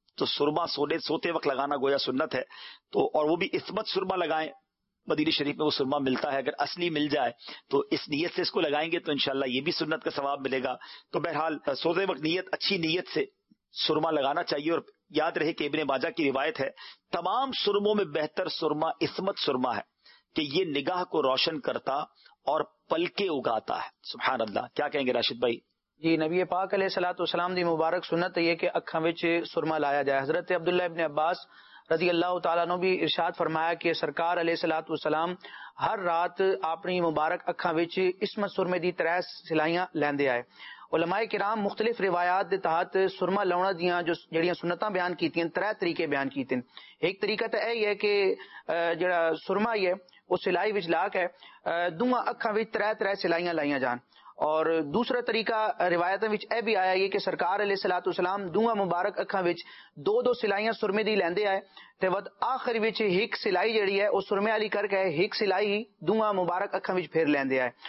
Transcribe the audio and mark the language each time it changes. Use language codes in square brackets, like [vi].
[ur] تو سرما سونے سوتے وقت لگانا گویا سنت ہے، تو اور وہ بھی عصمت سرما لگائیں، مدینہ شریف میں وہ سرما ملتا ہے، اگر اصلی مل جائے تو اس نیت سے اس کو لگائیں گے تو انشاءاللہ یہ بھی سنت کا ثواب ملے گا. تو بہرحال سوتے وقت نیت، اچھی نیت سے سرما لگانا چاہیے. اور یاد رہے کہ ابن ماجہ کی روایت ہے، تمام سرموں میں بہتر سرما عصمت سرما ہے کہ یہ نگاہ کو روشن کرتا اور پلکے اگاتا ہے. سبحان اللہ، کیا کہیں گے راشد بھائی؟ [pa] جی، نبی پاک علیہ الصلوۃ والسلام دی مبارک سنت یہ کہ اکھاں وچ سرما لایا جائے. حضرت عبداللہ ابن عباس رضی اللہ تعالیٰ نے بھی ارشاد فرمایا کہ سرکار علیہ الصلوۃ والسلام ہر رات اپنی مبارک اکھاں وچ عصمت سرمے دی 3 سلائیاں لیندے آئے. علماء کرام مختلف روایات دے تحت سرما لاونا دیاں جو جڑیاں سنتاں بیان کیتیاں 3 طریقے بیان کیتے. ایک طریقہ تے یہ ہے کہ جڑا سرما یہ وہ سلائی وچ لا کے دوواں اکھاں وچ 3 سلائیاں لائیاں جان. اور دوسرا طریقہ روایتوں وچ اے بھی آیا یہ کہ سرکار علیہ الصلوۃ والسلام دوواں مبارک اکھاں وچ 2 سلائیاں سرمے دی لیندے آئے تے ود آخر وچ ایک سلائی جڑی ہے او سرمے والی کر کے ایک سلائی دوواں مبارک اکھاں وچ پھیر لیندے آئے.